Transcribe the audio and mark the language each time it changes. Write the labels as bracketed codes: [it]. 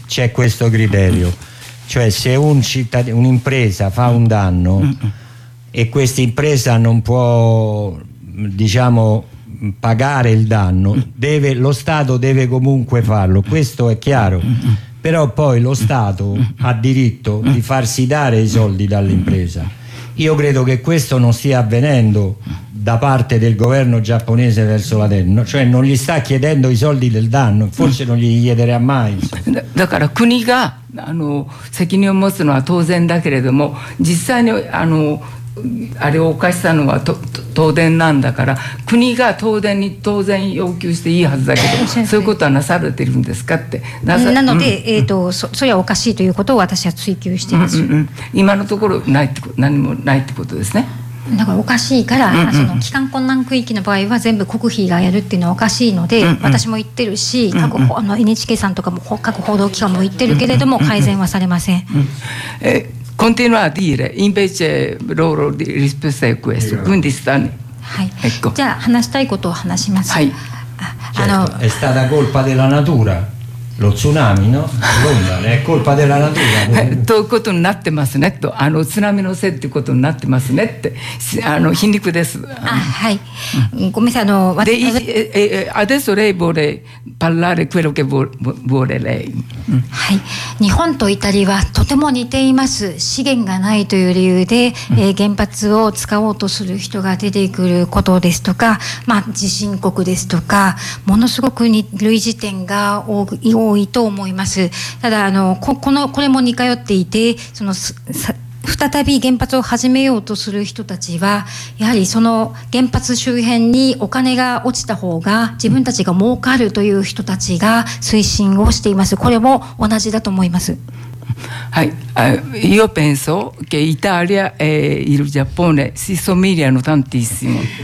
[it] c'è questo criterio cioè se un cittadino un'impresa fa un danno e questa impresa non può diciamo pagare il danno deve lo Stato deve comunque farlo questo è chiaro però poi lo Stato ha diritto di farsi dare i soldi dall'impresa. Io credo che questo non stia avvenendo da parte del governo giapponese verso la TEN, cioè non gli sta chiedendo i soldi del danno, forse non gli chiederà mai. [ja] だから国が責任を持つのは当然だけれども、実際にあれを犯したのは東電なんだから、国が東電に当然要求していいはずだけど、そういうことはなされてるんですかって。なので、それはおかしいということを私は追及しています。今のところないってこと、何もないってことですね。だからおかしいから、その帰還困難区域の場合は全部国費がやるっていうのはおかしいので、私も言ってるし、NHK さんとかも各報道機関も言ってるけれども改善はされません。 [it] Continua a dire, invece loro risposta è questo, quindi stanno... Ecco. [ja] じゃあ話したいことを話します。はい。 [it] È stata colpa della natura, lo tsunami, no? L'onda, è colpa della natura. [ja] ということになってますねと、津波のせいってことになってますねって、皮肉です。はい。ごめんなさい、 [it] Adesso lei vuole parlare quello che vuole lei. [ja] はい、日本とイタリアはとても似ています。資源がないという理由で、原発を使おうとする人が出てくることですとか、地震国ですとかものすごく類似点が多いと思います。ただこれも似通っていて、その再び原発を始めようとする人たちはやはりその原発周辺にお金が落ちた方が自分たちが儲かるという人たちが推進をしています。これも同じだと思います。 [it] はい、io penso che Italia e il Giappone si somigliano tantissimo。